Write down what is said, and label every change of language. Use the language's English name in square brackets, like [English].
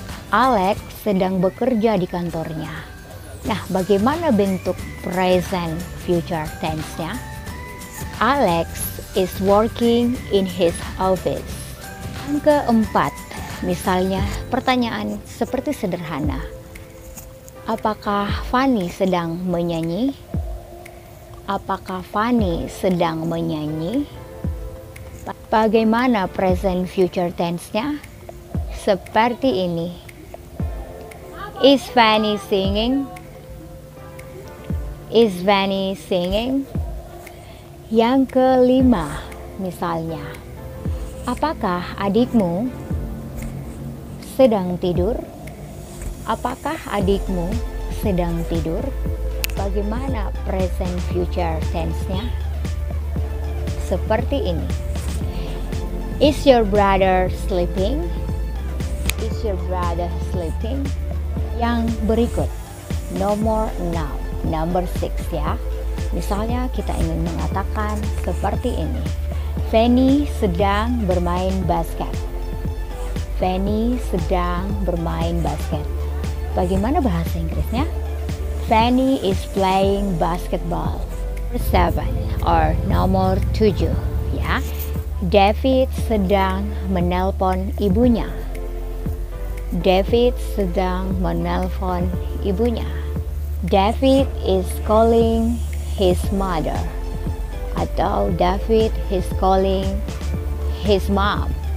[Indonesian] Alex sedang bekerja di kantornya. Nah, bagaimana bentuk present future tense-nya? [English] Alex is working in his office. [Indonesian] Yang keempat. Misalnya pertanyaan seperti sederhana. Apakah Fanny sedang menyanyi? Apakah Fanny sedang menyanyi? Bagaimana present future tense-nya? Seperti ini. [English] Is Fanny singing? Is Fanny singing? [Indonesian] Yang kelima, misalnya. Apakah adikmu sedang tidur? Apakah adikmu sedang tidur? Bagaimana present future tense-nya? Seperti ini. [English] Is your brother sleeping? Is your brother sleeping? [Indonesian] Yang berikut. Nomor 6. Number 6 ya. Misalnya kita ingin mengatakan seperti ini. Fanny sedang bermain basket. Fanny sedang bermain basket. Bagaimana bahasa Inggrisnya? [English] Fanny is playing basketball. Number 7 or [Indonesian] nomor 7 ya. David sedang menelpon ibunya. David sedang menelpon ibunya. [English] David is calling his mother. [Indonesian] Atau [English] David is calling his mom.